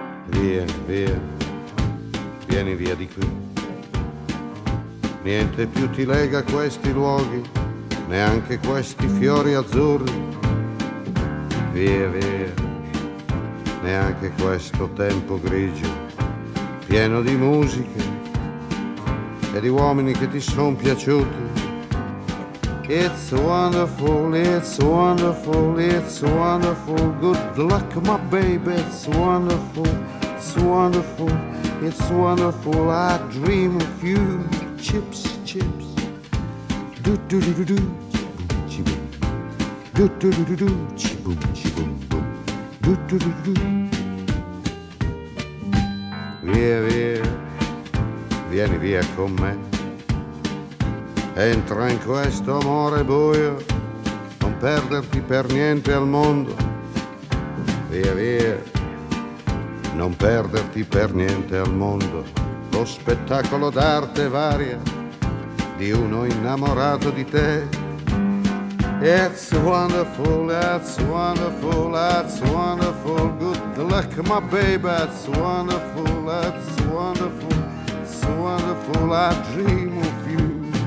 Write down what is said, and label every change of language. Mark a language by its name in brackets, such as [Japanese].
[Italian] vieni via, vieni via di qui. Niente più ti lega a questi luoghi, neanche questi fiori azzurri. Via, via, neanche questo tempo grigio, pieno di musiche e di uomini che ti son piaciuti. [English] It's wonderful, it's wonderful, it's wonderful. Good luck, my baby, it's wonderful, it's wonderful, it's wonderful. I dream of you, chips, chips. Do do do do do, chibum chibum. Do do do do do, chibum chibum boom. Do do do do do. [Italian] Via via, vieni via con me. Entra in questo amore buio, non perderti per niente al mondo. Via via, non perderti per niente al mondo. Lo spettacolo d'arte varia di uno innamorato di te. [English] It's wonderful, that's wonderful, that's wonderful. Good luck, my baby, that's wonderful, that's wonderful, it's wonderful, I dream of you.